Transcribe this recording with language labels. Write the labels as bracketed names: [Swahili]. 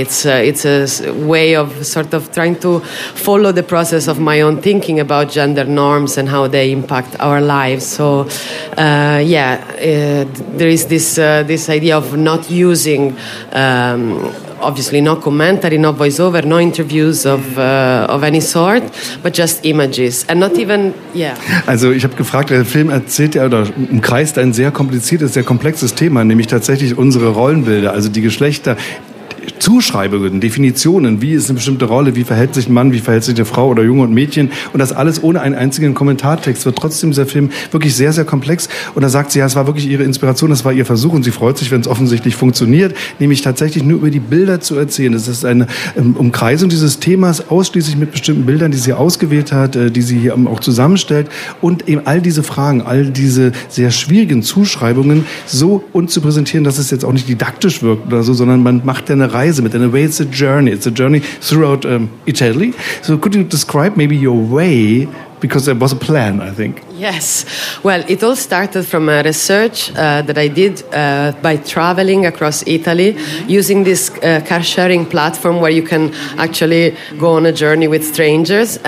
[English] It's a way of sort of trying to follow the process of my own thinking about gender norms and how they impact our lives. So there is this idea of not using... obviously no commentary, no voiceover, no interviews of any sort, but just images and not even, yeah. [German] Also ich habe gefragt, der Film erzählt ja oder umkreist ein sehr kompliziertes, sehr komplexes Thema, nämlich tatsächlich unsere Rollenbilder, also die Geschlechter, Zuschreibungen, Definitionen, wie ist eine bestimmte Rolle, wie verhält sich ein Mann, wie verhält sich eine Frau oder Junge und Mädchen und das alles ohne einen einzigen Kommentartext, wird trotzdem dieser Film wirklich sehr, sehr komplex und da sagt sie, ja, es war wirklich ihre Inspiration, das war ihr Versuch und sie freut sich, wenn es offensichtlich funktioniert, nämlich tatsächlich nur über die Bilder zu erzählen. Es ist eine Umkreisung dieses Themas ausschließlich mit bestimmten Bildern, die sie ausgewählt hat, die sie hier auch zusammenstellt und eben all diese Fragen, all diese sehr schwierigen Zuschreibungen so und zu präsentieren, dass es jetzt auch nicht didaktisch wirkt oder so, sondern man macht ja eine Reihe mit. [English] In a way, it's a journey throughout Italy. So could you describe maybe your way? Because there was a plan, I think. Yes. Well, it all started from a research that I did by traveling across Italy using this car sharing platform where you can actually go on a journey with strangers.